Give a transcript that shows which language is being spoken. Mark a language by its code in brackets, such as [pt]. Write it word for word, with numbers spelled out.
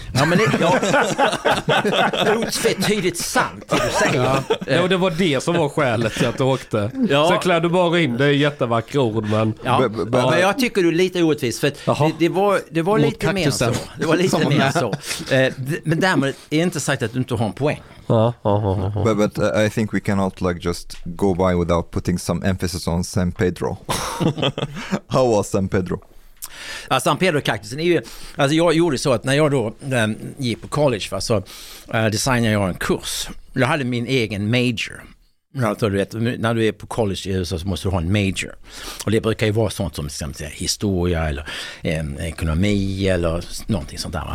[sv] Ja, men det, ja. Otvetydigt sant det du säger. Ja. Ja, och det var det som var skälet till att du åkte. Ja. Så klär du bara in, det är jättevackra ord. Men, ja. b- b- ja. men jag tycker du är lite orättvis för det, det var, det var lite mer så. Det var lite mer så. Men därmed är inte sagt att du inte har en poäng. Ja, ja, ja. [en] But, but uh, I think we cannot like just go by without putting some emphasis on San Pedro. How was San Pedro? [sv] Ja, San Pedro-kaktusen är ju, alltså jag gjorde så att när jag då äh, gick på college, va, så äh, designade jag en kurs. Jag hade min egen major. Alltså, du vet, när du är på college i U S A så måste du ha en major. Och det brukar ju vara sånt som exempel, historia eller eh, ekonomi eller någonting sånt där.